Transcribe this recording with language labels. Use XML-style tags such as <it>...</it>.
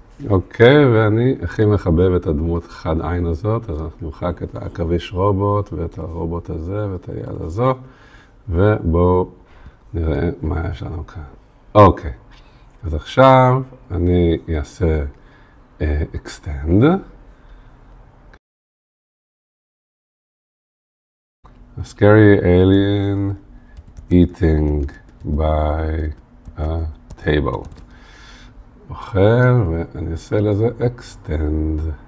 <he>אוקיי, ואני הכי מחבב את הדמות חד עין הזאת, אז אנחנו נמחק את העכביש רובוט ואת הרובוט הזה ואת היד הזו, ובואו נראה מה יש לנו כאן. אוקיי, אז עכשיו אני אעשה extend.</he> <en>A scary alien eating by a table.</en> <he>אוכל, ואני אעשה לזה extend.</he>